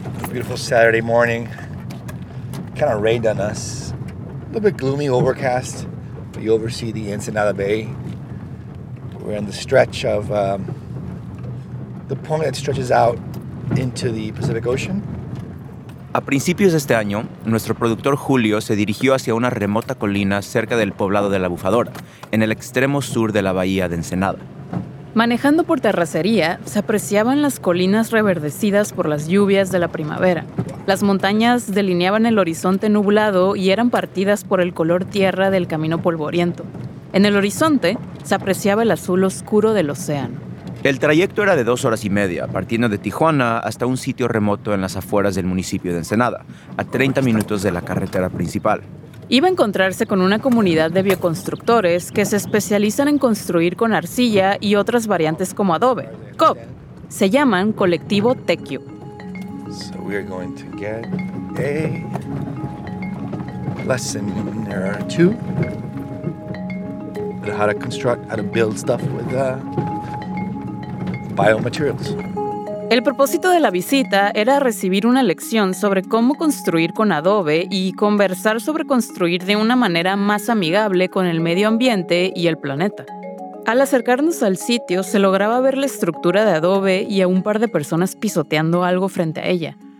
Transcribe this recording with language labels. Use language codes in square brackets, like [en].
[en] Beautiful Saturday morning. Kind of rained on us. A little bit gloomy, overcast. You oversee the Ensenada Bay. We're in the stretch of the point that stretches out into the Pacific Ocean. [es] A principios de este año, nuestro productor Julio se dirigió hacia una remota colina cerca del poblado de La Bufadora, en el extremo sur de la bahía de Ensenada. Manejando por terracería, se apreciaban las colinas reverdecidas por las lluvias de la primavera. Las montañas delineaban el horizonte nublado y eran partidas por el color tierra del camino polvoriento. En el horizonte se apreciaba el azul oscuro del océano. El trayecto era de 2 horas y media, partiendo de Tijuana hasta un sitio remoto en las afueras del municipio de Ensenada, a 30 minutos de la carretera principal. Iba a encontrarse con una comunidad de bioconstructores que se especializan en construir con arcilla y otras variantes como adobe, COP. Se llaman Colectivo Tequio. [en] So we are going to get a lesson in there are two. How to construct, how to build stuff with biomaterials. [es] El propósito de la visita era recibir una lección sobre cómo construir con adobe y conversar sobre construir de una manera más amigable con el medio ambiente y el planeta. Al acercarnos al sitio, se lograba ver la estructura de adobe y a un par de personas pisoteando algo frente a ella.